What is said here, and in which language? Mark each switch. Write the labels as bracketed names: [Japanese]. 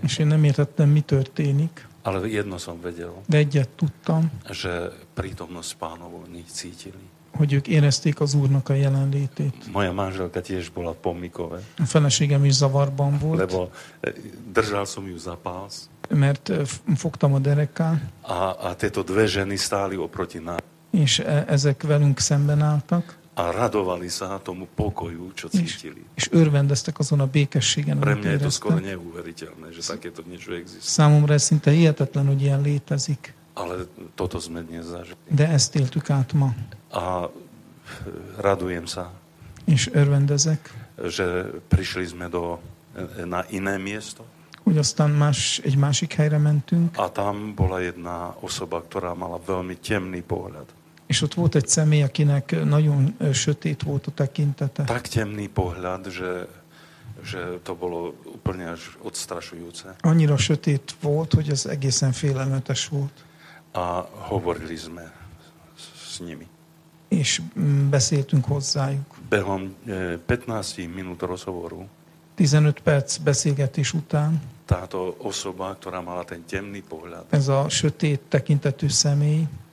[Hungarian] És én nem értettem, mi történik. [Slovak] Ale jedno som vedel. [Hungarian] De egyet tudtam. [Slovak] Že prítomnosť pánovu cítili. [Hungarian] Hogy ők érezték az Úrnak a jelenlétét. [Slovak] Moja manželka tiež bola pomikové. [Hungarian] A feleségem is zavarban volt. [Slovak] Lebo držal som ju za pás. [Hungarian] Mert fogtam a derekát. [Slovak] A tieto dve ženy stáli oproti nám. [Hungarian] És ezek velünk szemben álltak. [Slovak] A radovali sa tomu pokoju, čo cítili. [Hungarian] És örvendeztek azon a békességen, amit éreztek. [Slovak] Pre mňa je to skoro neuveriteľné, že takéto niečo existuje. [Hungarian] Számomra ez szinte hihetetlen, hogy ilyen létezik. [Slovak] Ale toto sme dnes zažili. [Hungarian] De ezt éltük át ma. [Slovak] A radujem sa. [Hungarian] És örvendezek. [Slovak] Že prišli sme na iné miesto. [Hungarian] Hogy aztán egy másik helyre mentünk. [Slovak] A tam bola jedna osoba, ktorá mala veľmi temný pohľad. [Hungarian] És ott volt egy személy, akinek nagyon sötét volt a tekintete. [Slovak] Tak temný pohľad, že to bolo úplne až odstrašujúce. [Hungarian] Annyira sötét volt, hogy ez egészen félelmetes volt. [Slovak] A hovorili sme s nimi. [Hungarian] És beszéltünk hozzájuk. [Slovak] Behom 15 minút rozhovoru. [Hungarian] 15 perc beszélgetés után. [Slovak] Táto osoba, ktorá mala ten temný pohľad. [Hungarian] Ez a sötét tekintetű személy.